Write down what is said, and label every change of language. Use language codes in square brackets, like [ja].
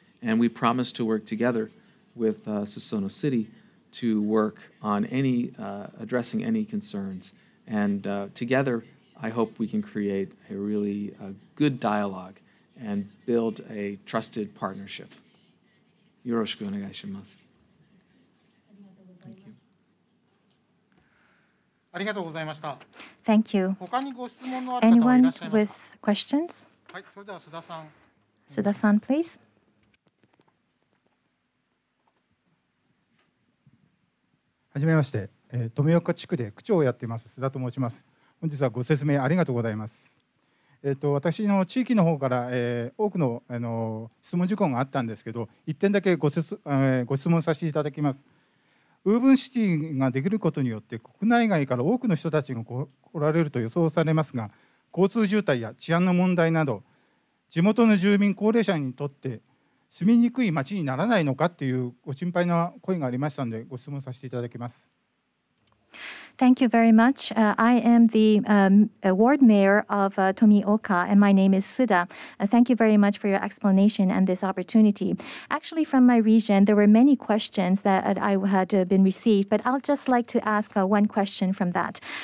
[en] And we promise to work together with Susono City. To work on any addressing any concerns, and together I hope we can create a really good dialogue and build a trusted partnership. [ja] よろしくお願いします。ありがとうございます。ありがとうございました。 [en] Thank you. [ja] 他にご質問のある方はいらっしゃいますか。 [en] Anyone with questions? [ja] はい、それでは須田さん。須田さん、 [en] please. [ja] はじめまして、富岡地区で区長をやっています須田と申します。本日はご説明ありがとうございます。私の地域の方から、多くの、質問事項があったんですけど、1点だけ ご質問させていただきます。ウーブンシティができることによって国内外から多くの人たちが来られると予想されますが、交通渋滞や治安の問題など地元の住民高齢者にとって住みにくい町にならないのかというご心配な声がありましたので、ご質問させていただきます。 [en] Thank you very much. I am the ward mayor of Tomioka, and my name is Suda. Thank you very much for your explanation and this opportunity. Actually, from my region, there were many questions that I had been received, but I'll just like to ask one question from that.